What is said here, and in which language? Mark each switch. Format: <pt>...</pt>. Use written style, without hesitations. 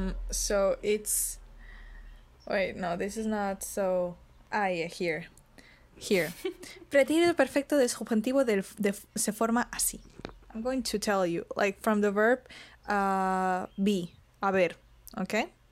<en>So it's, wait, no, this is not so, ah, yeah, here. Here.</en> <es>Pretérito perfecto de subjuntivo del de se forma así.</es> <en>I'm going to tell you, like, from the verb be, haber, okay?</en>